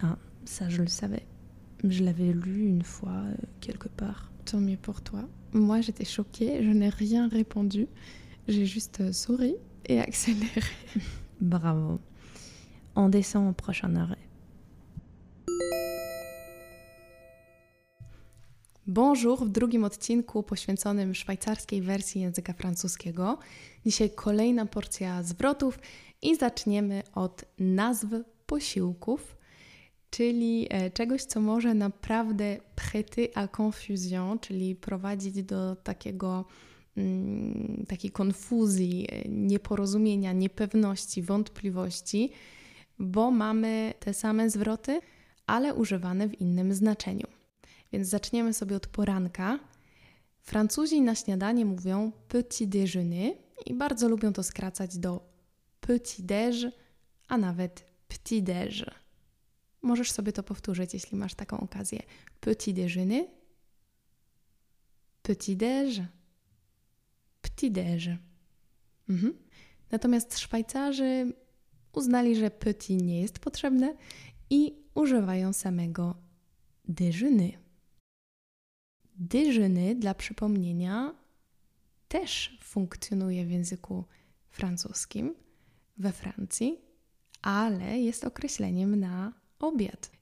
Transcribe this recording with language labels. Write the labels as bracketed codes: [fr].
[fr] Ah, ça je le savais. Je l'avais lu une fois, quelque part. Tant mieux pour toi. Moi j'étais choquée, je n'ai rien répondu. J'ai juste souri et accéléré. Bravo. On descend au prochain arrêt. [pl] Bonjour, w drugim odcinku poświęconym szwajcarskiej wersji języka francuskiego. Dzisiaj kolejna porcja zwrotów i zaczniemy od nazw posiłków, czyli czegoś, co może naprawdę [fr] prêter à confusion, [pl] czyli prowadzić do takiego takiej konfuzji, nieporozumienia, niepewności, wątpliwości, bo mamy te same zwroty, ale używane w innym znaczeniu. Więc zaczniemy sobie od poranka. Francuzi na śniadanie mówią petit déjeuner i bardzo lubią to skracać do petit déj, a nawet petit déj. Możesz sobie to powtórzyć, jeśli masz taką okazję. [fr] Petit déjeuner, petit déj, petit déj. [pl] Natomiast Szwajcarzy uznali, że petit nie jest potrzebne i używają samego déjeuner. Déjeuner, dla przypomnienia, też funkcjonuje w języku francuskim, we Francji, ale jest określeniem na obiad.